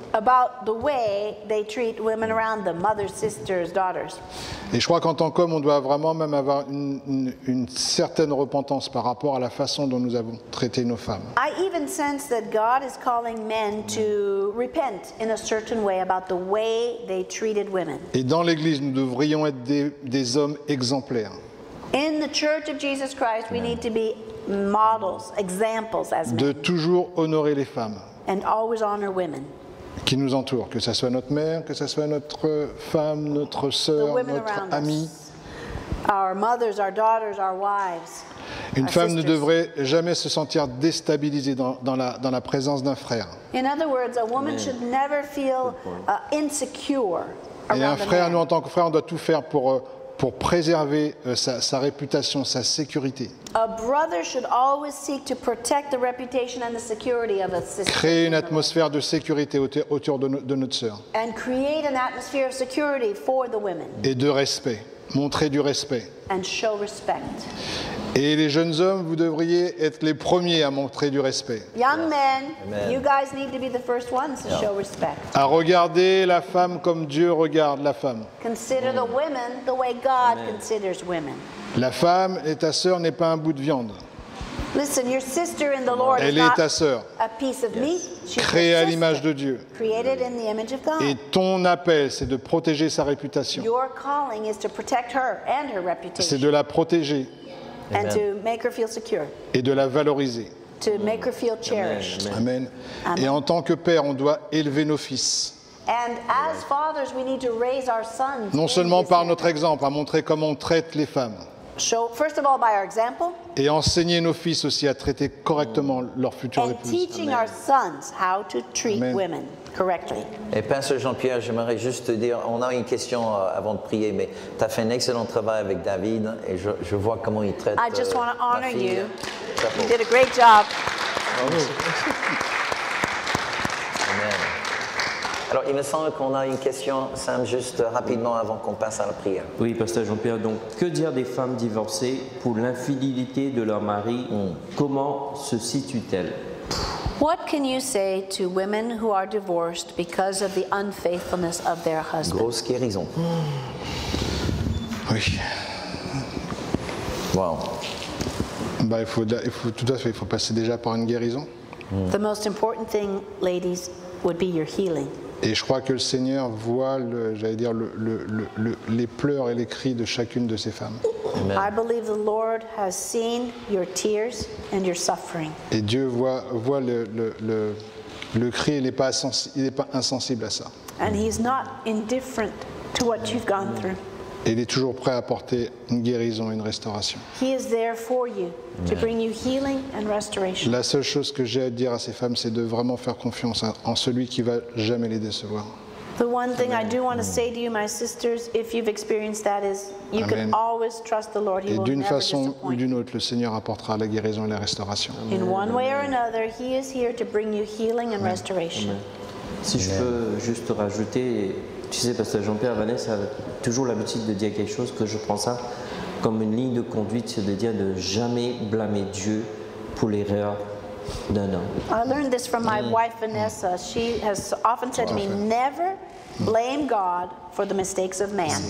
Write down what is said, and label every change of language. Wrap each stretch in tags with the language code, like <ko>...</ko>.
<en>About the way they treat women around them, mothers, sisters, daughters.</en> <fr>Et je crois qu'en tant qu'homme, on doit vraiment même avoir une certaine repentance par rapport à la façon dont nous avons traité nos femmes.</fr> <en>I even sense that God is calling men to repent in a certain way about the way they treated women.</en> <fr>Et dans l'Église, nous devrions être des hommes exemplaires.</fr> <en>In the Church of Jesus Christ, we need to be models, examples as men.</en> <fr>De toujours honorer les femmes.</fr> <en>And always honor women.</en> <fr>Qui nous entoure, que ça soit notre mère, que ça soit notre femme, notre sœur, notre amie.</fr> <en>Our mothers, our daughters, our wives.</en> <fr>Une femme ne devrait jamais se sentir déstabilisée dans la présence d'un frère.</fr> <en>In other words, a woman should never feel insecure.</en> <fr>Et un frère, nous en tant que frère, on doit tout faire pour préserver sa réputation, sa sécurité.</fr> <en>A brother should always seek to protect the reputation and the security of a sister.</en> <fr>Créer une atmosphère de sécurité autour de notre sœur.</fr> <en>And create an atmosphere of security for the women.</en> <fr>Et de respect. Montrer du respect.</fr> <en>And show respect.</en> <fr>Et les jeunes hommes, vous devriez être les premiers à montrer du respect.</fr> <en>Young men, amen. You guys need to be the first ones to show respect.</en> <fr>À regarder la femme comme Dieu regarde la femme.</fr> <en>Consider the women the way God considers women.</en> <fr>La femme et ta sœur n'est pas un bout de viande.</fr> <en>Listen, your sister in the Lord</en> <fr>elle</fr> <en>is</en> <fr>est ta sœur.</fr> <en>A piece of meat.</en> <fr>Créée à l'image de Dieu.</fr> <en>Created in the image of God.</en> <fr>Et ton appel, c'est de protéger sa réputation.</fr> <en>Your calling is to protect her and her reputation.</en> <fr>C'est de la protéger.</fr> <en>Amen. And to make her feel secure.</en> <fr>Et de la valoriser.</fr> <en>To make her feel cherished. Amen. Amen.</en> <fr>Et en tant que père, on doit élever nos fils.</fr> <en>And as fathers, we need to raise our sons.</en> <fr>Non seulement par notre exemple, à montrer comment on traite les femmes.</fr> <en>Show, first of all, by our example.</en> <fr>Et enseigner nos fils aussi à traiter correctement leur future épouse.</fr> <en>And teaching our sons how to treat women correctly.</en> <fr>Et Pasteur Jean-Pierre, j'aimerais juste te dire, on a une question avant de prier, mais tu as fait un excellent travail avec David et je vois comment il traite ma fille.</fr> <en>I just want to honor you. You did a great job. Amen.</en> <fr>Alors, il me semble qu'on a une question, Sam, juste rapidement avant qu'on passe à la prière. Oui, Pasteur Jean-Pierre, donc, que dire des femmes divorcées pour l'infidélité de leur mari? Comment se situe-t-elle?</fr> <en>What can you say to women who are divorced because of the unfaithfulness of their husband?</en> <fr>Grosse guérison. Oui.</fr> <en>Wow.</en> <fr>Bah, il faut tout à fait, il faut passer déjà par une guérison.</fr> <en>The most important thing, ladies, would be your healing.</en> <fr>Et je crois que le Seigneur voit, les pleurs et les cris de chacune de ces femmes.</fr> <en>Amen. I believe the Lord has seen your tears and your suffering.</en> <fr>Et Dieu voit le cri, il n'est pas insensible à ça.</fr> <en>And he's not indifferent to what you've gone through.</en> <fr>Et il est toujours prêt à apporter une guérison et une restauration.</fr> <en>He is there for you to bring you healing and restoration.</en> <fr>La seule chose que j'ai à dire à ces femmes, c'est de vraiment faire confiance en celui qui ne va jamais les décevoir.</fr> <en>The one thing I do want to say to you, my sisters, if you've experienced that, is you can always trust the Lord. He will never disappoint.</en> <fr>Et d'une façon ou d'une autre, le Seigneur apportera la guérison et la restauration.</fr> <en>In one way or another, He is here to bring you healing and restoration.</en> <fr>Si je peux juste rajouter, tu sais, Pasteur Jean-Pierre, Vanessa a toujours l'habitude de dire quelque chose, que je prends ça comme une ligne de conduite, c'est de dire de jamais blamer Dieu pour l'erreur d'un homme.</fr> <en>I learned this from my wife Vanessa. She has often said to me, never blame God for the mistakes of man.</en>